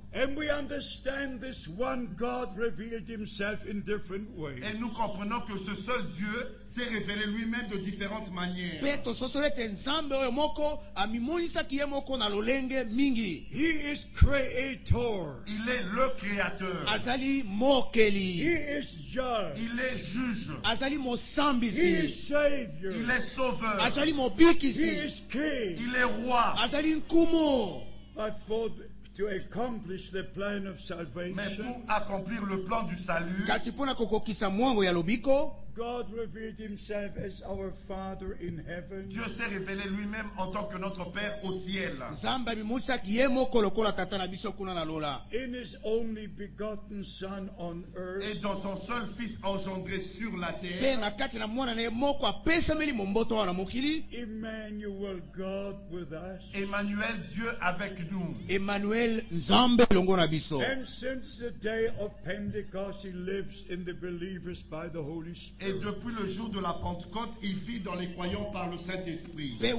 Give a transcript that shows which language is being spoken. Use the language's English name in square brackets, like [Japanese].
[English] And we understand this one God revealed himself in different ways. [French] Et nous comprenons que ce seul Dieu s'est révélé lui-même de différentes manières. [English] He is creator. [French] Il est le créateur. [Lingala] Azali mokeli. [English] He is judge. [French] Il est juge. [Lingala] Azali mosambisi. [English] He is savior. [French] Il est sauveur. [Lingala] Azali mobikisi. [English] He is king. [French] Il est roi. [Lingala] Azali nkumu. [English] But for to accomplish the plan of salvation. [French] Mais pour accomplir le plan du salut. [Lingala] Kasi pona kokokisa mwango ya lobiko. [English] God revealed himself as our Father in heaven. [French] Dieu s'est révélé lui-même en tant que notre Père au ciel. [Lingala] Nzambe abimusaki ye moko lokola tata na biso kuna na lola. [English] In his only begotten Son on earth. [French] Et dans son seul Fils engendré sur la terre. [Lingala] Pe na kati na mwana na ye moko apesameli mumboto wana mokili. [English] Emmanuel, God with us. [French] Emmanuel, Dieu avec nous. [Lingala] Emmanuel, Nzambe longo na biso. [English] And since the day of Pentecost, he lives in the believers by the Holy Spirit. [French] Et depuis le jour de la Pentecôte, il vit dans les croyants par le Saint-Esprit.